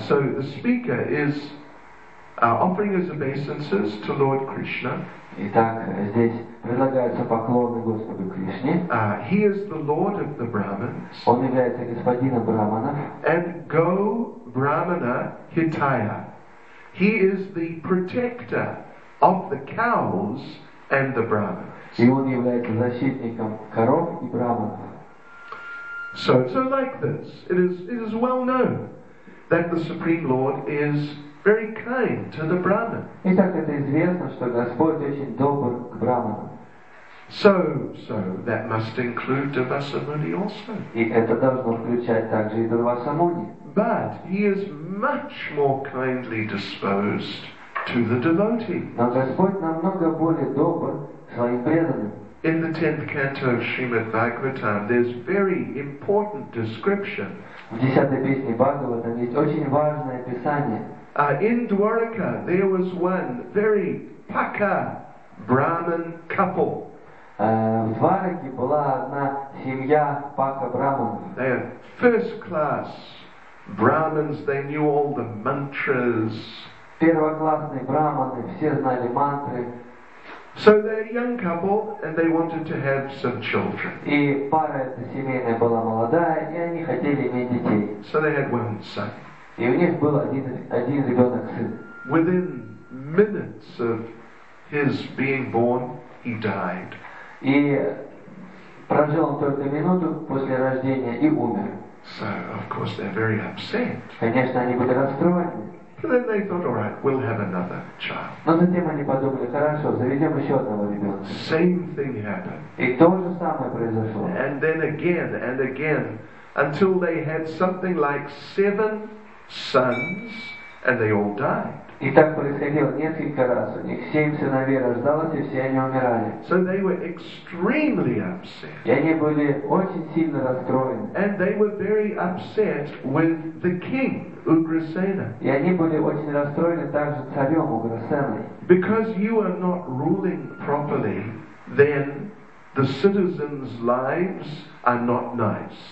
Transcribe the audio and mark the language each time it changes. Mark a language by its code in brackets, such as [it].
[en] So the speaker is offering his obeisances to Lord Krishna. [ru] Итак, здесь предлагаются поклоны Господу Кришне. [en] He is the Lord of the Brahmins. [ru] Он является господином Брахманов. [sa] And Go Brahmana Itaya. [en] He is the protector of the cows and the Brahmins. [ru] И он является защитником коров и Брахманов. [en] So like this, it is well known that the Supreme Lord is very kind to the Brahman. [ru] Итак, это известно, что Господь очень добр к Брахманам. [en] So that must include Durvasamuni also. [ru] И это должно включать также и Дурвасамуни. [en] But he is much more kindly disposed to the devotee. [ru] Но Господь намного более добр к своим преданным. [en] In the 10th canto of Srimad Bhagavatam, there's very important description. [ru] В 10-й песне Бхагаватам есть очень важное описание. [en] In Dwarka, there was one very pukka Brahmin couple. [ru] В Двараке была одна семья пакха брахман. [en] They are first class Brahmins. They knew all the mantras. [ru] Первоклассные брахманы, все знали мантры. [en] So they're a young couple, and they wanted to have some children. [ru] И пара эта семейная была молодая, и они хотели иметь детей. [en] So they had one son. [ru] И у них был один ребенок сын. [en] Within minutes of his being born, he died. [ru] И прожил он только минуту после рождения и умер. [en] So of course they're very upset. [ru] Конечно, они были расстроены. [en] But then they thought, all right, we'll have another child. [ru] Но затем они подумали, хорошо, заведем еще одного ребенка. [en] Same thing happened. [ru] И то же самое произошло. [en] And then again and again, until they had something like 7 sons, and they all died. [ru] И так происходило несколько раз. У них 7 сыновей рождалось, и все они умирали. [en] So they were extremely upset. [ru] И они были очень сильно расстроены. [en] And they were very upset with the king. Ugrasena. [ru] И они были очень расстроены также царем Уграсеной. [en] Because you are not ruling properly, then the citizens' lives are not nice.